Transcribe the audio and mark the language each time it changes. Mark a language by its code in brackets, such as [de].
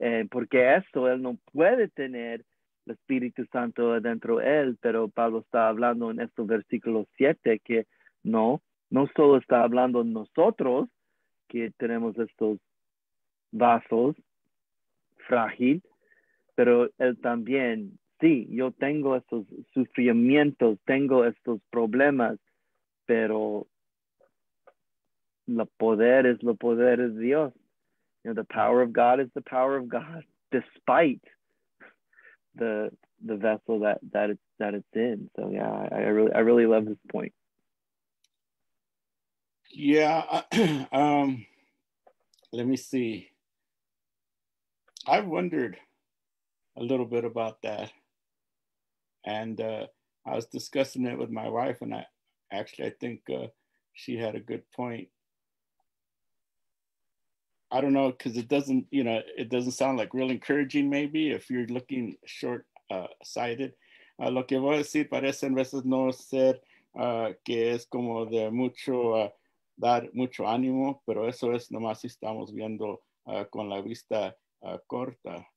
[es] porque eso él no puede tener el Espíritu Santo dentro de él, pero Pablo está hablando en este versículo 7 que no solo está hablando nosotros que tenemos estos vasos frágil, pero él también, sí, yo tengo estos sufrimientos, tengo estos problemas, pero la poder es lo poder de Dios. [en] The power of God is the power of God, despite the vessel that it's in. So yeah, I really love this point. Yeah, let me see. I've wondered a little bit about that, and I was discussing it with my wife, and I think she had a good point. I don't know, because it doesn't, it doesn't sound like real encouraging, maybe, if you're looking short-sighted. [es] Lo que voy a decir parece en veces no ser que es como de mucho, dar mucho ánimo, pero eso es nomás si estamos viendo con la vista corta.